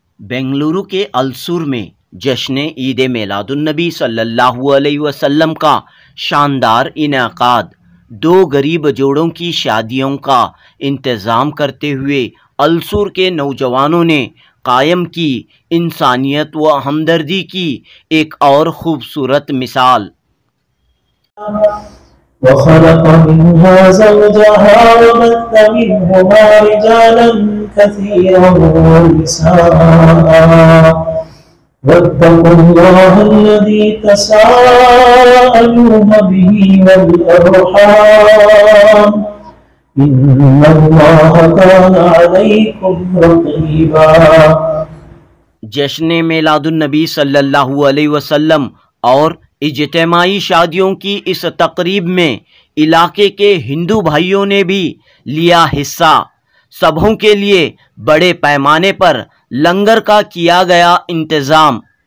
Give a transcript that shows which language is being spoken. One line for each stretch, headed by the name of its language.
Hindi: बेंगलुरु के अलसुर में जश्ने ईद मिलादुन्नबी सल्लल्लाहु अलैहि वसल्लम का शानदार इनाकाद। दो गरीब जोड़ों की शादियों का इंतज़ाम करते हुए अलसुर के नौजवानों ने कायम की इंसानियत व हमदर्दी की एक और खूबसूरत मिसाल।
Arabic: وخلق منها زوجها وبث منهما رجالا كثيرا ونساء واتقوا الله الذي تساءلون به والأرحام إن الله كان عليكم رقيبا।
Hindi: جشن ميلاد النبي صلى الله عليه وسلم اور इज्तिमाई शादियों की इस तकरीब में इलाके के हिंदू भाइयों ने भी लिया हिस्सा। सबों के लिए बड़े पैमाने पर लंगर का किया गया इंतज़ाम।